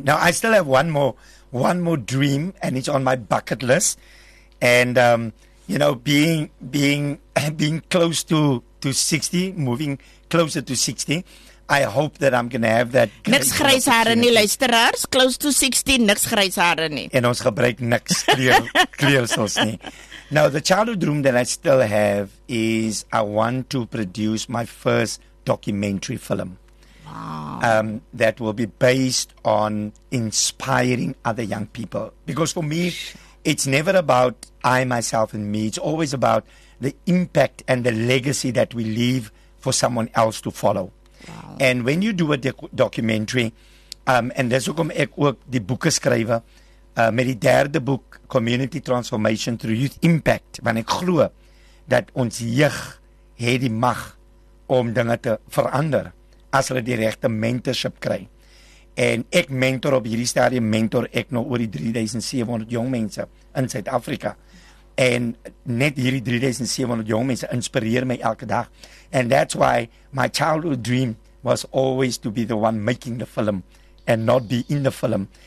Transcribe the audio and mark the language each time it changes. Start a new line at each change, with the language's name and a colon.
English: Now, I still have one more dream, and it's on my bucket list. And you know, being close to 60, moving closer to 60, I hope that I'm going to have that.
Afrikaans: Niks grys hare nie, luisteraars.
English: Close to 60,
Afrikaans: niks grys hare nie. En ons gebruik niks kleursels nie.
English: Now, the childhood dream that I still have is I want to produce my first documentary film. That will be based on inspiring other young people. Because for me, it's never about I, myself, and me. It's always about the impact and the legacy that we leave for someone else to follow. Wow. And when you do a documentary, and that's
Afrikaans: hoekom ek ook die boeke skrywe, met die derde boek, Community Transformation Through Youth Impact, want ek glo dat ons jeug het die mag om dinge te verander. As hulle die regte mentorship kry. En ek mentor op hierdie stadium, mentor ek nou oor die 3700 jong mense in Suid-Afrika. En net hierdie 3700 jong mense inspireer my elke dag.
English: And that's why my childhood dream was always to be the one making the film and not be in the film.